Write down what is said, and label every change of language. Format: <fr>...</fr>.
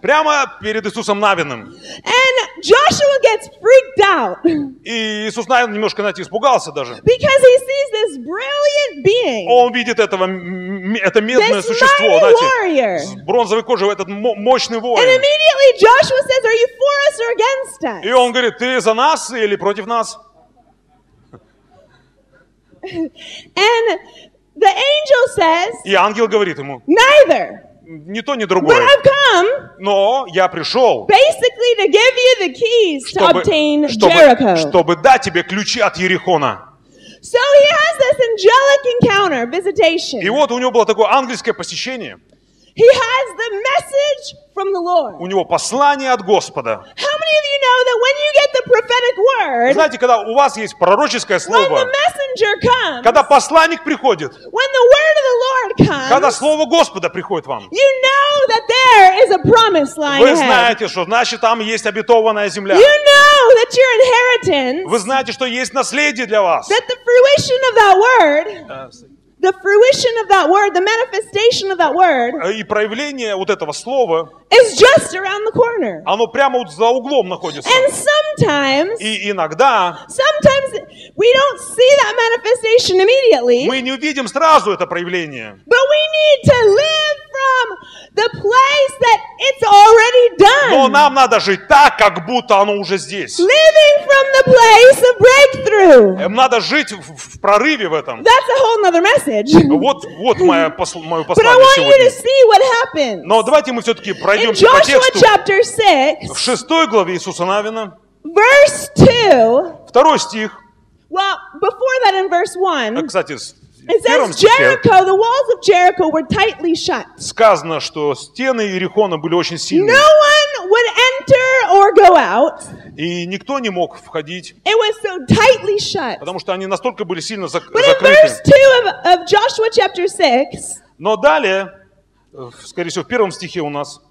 <ru>Прямо перед Иисусом Навином.</ru> <en>And Joshua gets freaked out.</en> <ru>И Иисус Навин немножко, знаете, испугался даже.</ru> <en>Because he sees this brilliant being.</en> <ru>Он видит этого, это медное существо, знаете, с бронзовой кожей, этот мощный воин.</ru> <en>And immediately Joshua says, "Are you for us or against us?"</en> <ru>И он говорит, ты за нас или против нас?</ru> <en>And the angel says.</en> <ru>И ангел говорит ему.</ru> <en>Neither.</en> <ru>Ни то, ни другое. Но я пришел, чтобы дать тебе ключи от Иерихона.</ru> <en>So he has this angelic encounter, visitation.</en> <ru>И вот у него было такое ангельское посещение.</ru> <en>He has the message from the Lord.</en> <ru>У него послание от Господа.</ru> <en>How many of you know that when you get the prophetic word?</en> <ru>Знаете, когда у вас есть пророческое слово?</ru> <en>When the messenger comes.</en> <ru>Когда посланник приходит?</ru> <en>When the word of the Lord comes.</en> <ru>Когда слово Господа приходит вам?</ru> <en>You know that there is a promise lying ahead.</en> <ru>Вы знаете, что значит там есть обетованная земля?</ru> <en>You know that your inheritance.</en> <ru>Вы знаете, что есть наследие для вас?</ru> <en>That the fruition of that word. The fruition of that word, the manifestation of that word,</en> <ru>и проявление вот этого слова,</ru> <en>is just around the corner.</en> <ru>Оно прямо вот за углом находится.</ru> <en>And sometimes,</en> <ru>и иногда,</ru> <en>sometimes we don't see that manifestation immediately.</en> <ru>Мы не увидим сразу это проявление.</ru> <en>But we need to live from the place that it's already done.</en> <ru>Но нам надо жить так, как будто оно уже здесь.</ru> <en>Living from the place of breakthrough.</en> <ru>Надо жить в прорыве в этом.</ru> <en>That's a whole other message.</en> <ru>Вот мое послание сегодня.</ru> <en>But I want you to see what happens.</en> <ru>Но давайте мы все-таки пройдем по тексту.</ru> <en>Chapter 6,</en> <ru>в 6 главе Иисуса Навина.</ru> <en>Verse 2.</en> <ru>Второй стих.</ru> <en>Well, before that in verse 1.</en> <ru>Кстати,</ru> <en>it says Jericho, the walls of Jericho were tightly shut.</en> <ru>Сказано, что стены Иерихона были очень сильные.</ru> <en>No one would enter or go out.</en> <ru>И никто не мог входить.</ru> <en>It was so tightly shut.</en> <ru>Потому что они настолько были сильно закрыты.</ru> <en>But in verse 2 of Joshua chapter 6.</en> <ru>Но далее, скорее всего, в первом стихе у нас.</ru>